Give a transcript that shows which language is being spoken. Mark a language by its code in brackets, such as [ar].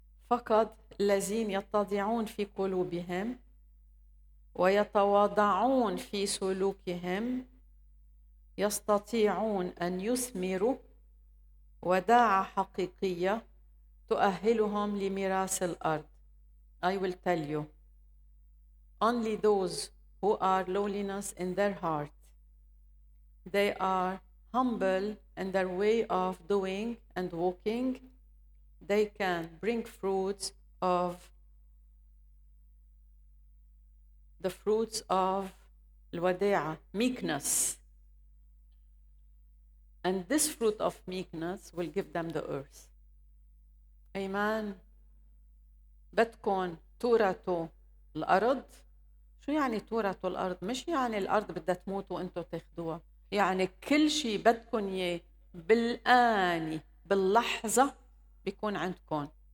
[ar] فقط الذين يتضعون في قلوبهم ويتواضعون في سلوكهم يستطيعون ان يثمروا وداعة حقيقية تؤهلهم لميراث الأرض. [en] I will tell you. Only those who are lowliness in their heart. They are humble in their way of doing and walking. They can bring fruits of the fruits of الوديعة. Meekness. And this fruit of meekness will give them the earth. [ar] أيمان بدكم تورثوا الأرض. شو يعني تورثوا الأرض؟ مش يعني الأرض بدها تموت وأنتوا تاخدوها. يعني كل شيء بدكم إياه بالآن باللحظة بيكون عندكم.